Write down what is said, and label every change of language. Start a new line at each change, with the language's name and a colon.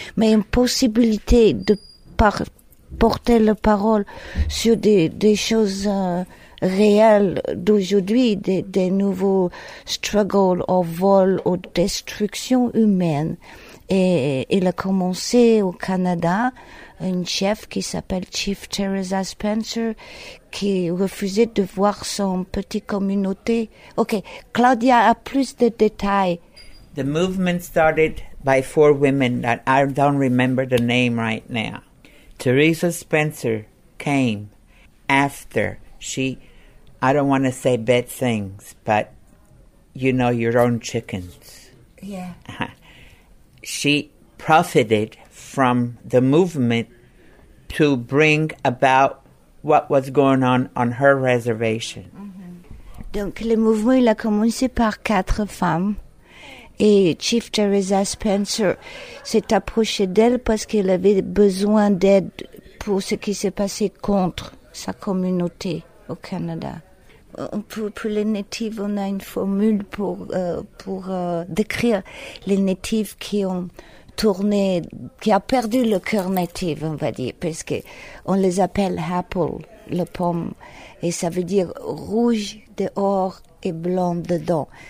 French: mais une possibilité de porter la parole sur des choses réelles d'aujourd'hui, des nouveaux struggles au vol, aux destructions humaines. Et il a commencé au Canada, une chef qui s'appelle Chief Teresa Spencer, qui refusait de voir son petite communauté. Ok, Claudia a plus de détails.
English: The movement started by four women that I don't remember the name right now. Teresa Spencer came after she, I don't want to say bad things, but you know your own chickens. Yeah. She profited from the movement to bring about what was going on her reservation. Mm-hmm.
French: Donc le mouvement il a commencé par quatre femmes. Et Chief Teresa Spencer s'est approchée d'elle parce qu'elle avait besoin d'aide pour ce qui s'est passé contre sa communauté au Canada. Pour les natives, on a une formule pour décrire les natives qui ont tourné, qui ont perdu le cœur native, on va dire, parce qu'on les appelle apple, le pomme, et ça veut dire rouge dehors et blanc dedans.